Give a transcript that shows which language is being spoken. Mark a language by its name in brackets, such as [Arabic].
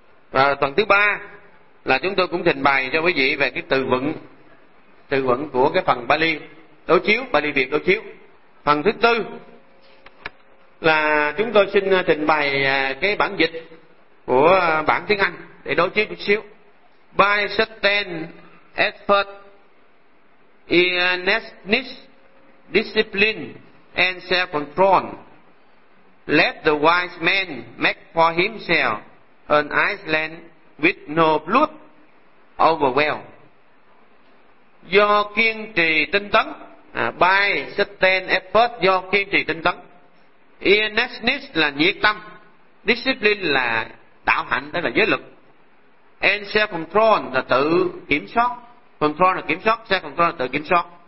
[Vietnamese] Và phần thứ ba là chúng tôi cũng trình bày cho quý vị về cái từ vựng của cái phần Bali đối chiếu, Bali Việt đối chiếu. Phần thứ tư là chúng tôi xin trình bày cái bản dịch của bản tiếng Anh để đối chiếu chút xíu. [English] By certain effort, earnestness, discipline and self-control, let the wise man make for himself an island with no blood overwhelm. [Vietnamese] Do kiên trì tinh tấn, [English] by certain effort, [Vietnamese] do kiên trì tinh tấn, earnestness là nhiệt tâm, discipline là đạo hạnh, đó là giới luật, [English] and self-control [Vietnamese] là tự kiểm soát, control là kiểm soát, self-control là tự kiểm soát.